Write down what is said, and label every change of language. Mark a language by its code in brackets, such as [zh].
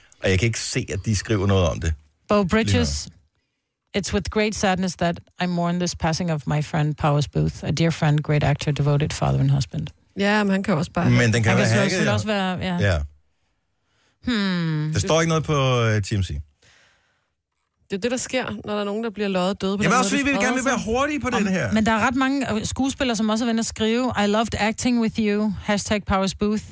[da] Og jeg kan ikke se, at de skriver noget om det. [en] Bo Bridges, it's with great sadness that I mourn this passing of my friend Powers Booth, a dear friend, great actor, devoted father and husband. [da] Ja, men han kan også bare... Men den kan han være hacket. Han kan også være, ja. Ja. Der står ikke noget på TMC. Det er det, der sker, når der er nogen, der bliver løjet døde på. Jamen også, vi vil gerne vil være hurtige på den her. Men der er ret mange skuespillere, som også er ved at skrive, [en] I loved acting with you, hashtag Powers Booth.